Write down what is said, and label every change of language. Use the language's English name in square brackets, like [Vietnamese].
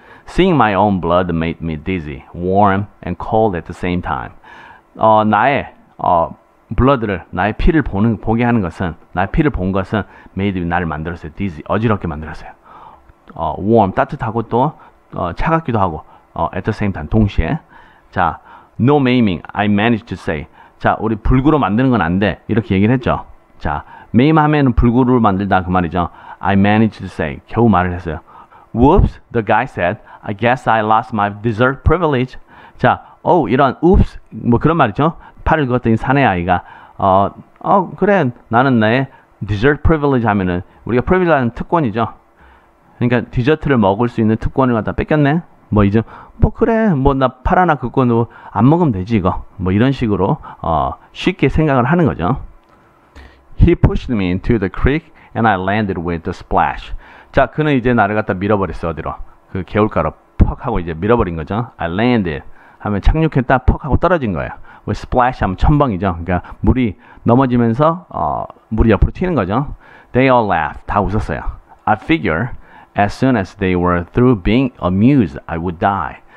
[English] Seeing my own blood made me dizzy, warm and cold at the same time. [Korean] 나의 블러드를 나의 피를 보게 하는 것은 나의 피를 본 것은 [English] made me [Korean] 나를 만들었어요. Dizzy 어지럽게 만들었어요. Warm 따뜻하고 또 차갑기도 하고 [English] at the same time [Korean] 동시에 자 [English] no maiming I managed to say [Korean] 자 우리 불구로 만드는 건 안 돼 이렇게 얘기를 했죠. 자 maim 하면 불구로 만들다 그 말이죠. [English] I managed to say [Korean] 겨우 말을 했어요. [English] Whoops, the guy said. I guess I lost my dessert privilege. [Korean] 자, 이런 oops, 뭐 그런 말이죠. 팔을 그었더니 사내 아이가 그래, 나는 내 dessert privilege 하면은 우리가 privilege라는 특권이죠. 그러니까 디저트를 먹을 수 있는 특권을 갖다 뺏겼네. 뭐 이제 뭐 그래, 뭐 나 팔 하나 그 건도 안 먹으면 되지 이거. 뭐 이런 식으로 쉽게 생각을 하는 거죠. [English] He pushed me into the creek and I landed with a splash. [Korean] 자, 그는 이제 나를 갖다 밀어버렸어. 어디로? 그 개울가로 퍽 하고 이제 밀어버린 거죠. [English] I landed [Korean] 하면 착륙했다 퍽 하고 떨어진 거예요. Splash 하면 첨벙이죠. 그러니까 물이 넘어지면서 물이 옆으로 튀는 거죠. [English] They all laughed. [Korean] 다 웃었어요. [English] I figure as soon as they were through being amused, I would die.